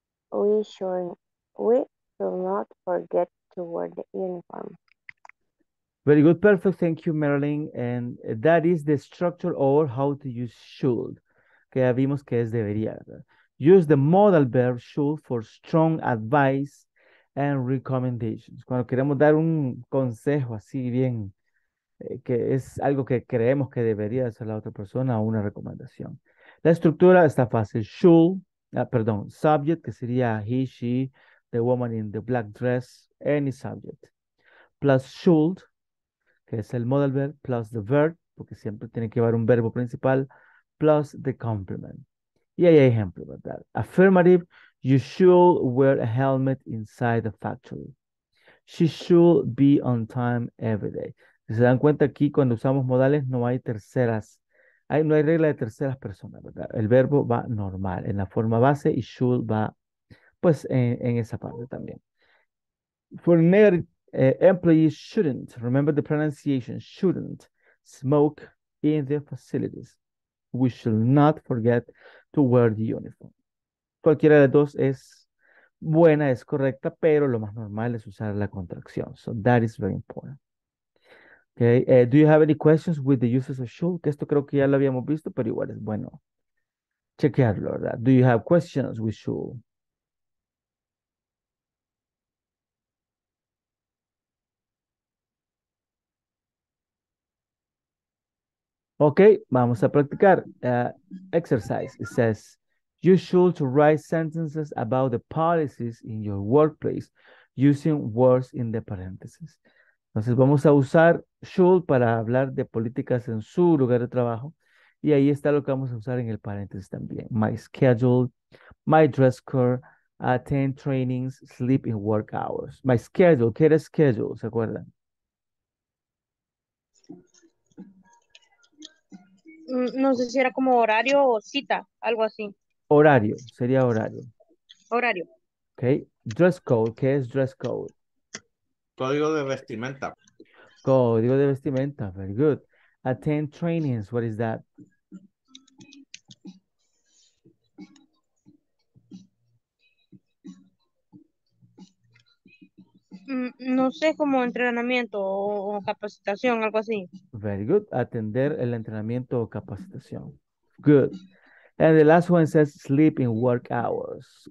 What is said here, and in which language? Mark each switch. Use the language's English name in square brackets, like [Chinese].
[English] We should not forget to wear the uniform. Very good. Perfect. Thank you, Marilyn. And that is the structure or how to use should. [Spanish] Que ya vimos que es debería. [English] Use the modal verb should for strong advice and recommendations. [Spanish] Cuando queremos dar un consejo así bien, que es algo que creemos que debería hacer la otra persona o una recomendación. La estructura está fácil. [English] Subject, [Spanish] que sería [English] he, she, the woman in the black dress, any subject. Plus should, [Spanish] que es el modal verb, [English] plus the verb, [Spanish] porque siempre tiene que llevar un verbo principal, [English] plus the complement. [Spanish] Y hay ejemplo, ¿verdad? [English] Affirmative, you should wear a helmet inside the factory. She should be on time every day. [Spanish] Si se dan cuenta aquí, cuando usamos modales, no hay terceras, no hay regla de terceras personas, ¿verdad? El verbo va normal, en la forma base, y should va, pues, en esa parte también. [English] For negative, employees shouldn't, remember the pronunciation, shouldn't smoke in their facilities. We should not forget to wear the uniform. [Spanish] Cualquiera de las dos es buena, es correcta, pero lo más normal es usar la contracción. [English] So that is very important. Okay. Do you have any questions with the uses of should? [Spanish] Que esto creo que ya lo habíamos visto, pero igual es bueno chequearlo, ¿verdad? [English] Do you have questions with should? [Spanish] Okay, vamos a practicar. [English] Exercise. It says, you should write sentences about the policies in your workplace using words in the parentheses. [Spanish] Entonces, vamos a usar should para hablar de políticas en su lugar de trabajo. Y ahí está lo que vamos a usar en el paréntesis también. [English] My schedule, my dress code, attend trainings, sleep in work hours. My schedule. [Spanish] ¿Qué era schedule? ¿Se acuerdan? No sé si era como horario o cita, algo así. Horario, sería horario. Horario. Ok. [English] Dress code, [Spanish] ¿qué es dress code? Código de vestimenta. Código de vestimenta, [English] very good. Attend trainings, what is that? Mm, [Spanish] No sé, como entrenamiento o capacitación, algo así. [English] Very good. [Spanish] Atender el entrenamiento o capacitación. Good. [English] And the last one says sleep in work hours.